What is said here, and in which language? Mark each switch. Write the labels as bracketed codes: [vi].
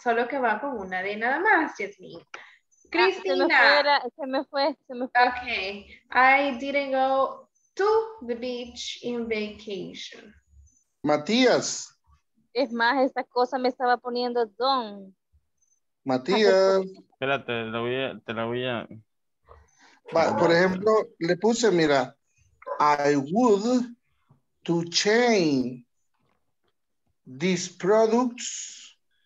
[es] Solo que va con una de nada más, Jasmine. Cristina. Se me fue. [en] Okay. I didn't go to the beach in vacation. [es] Matías. Es más, esta cosa me estaba poniendo don. Matías. Espérate, te la voy a. Por ejemplo, le puse, mira, [en] I would to change these products.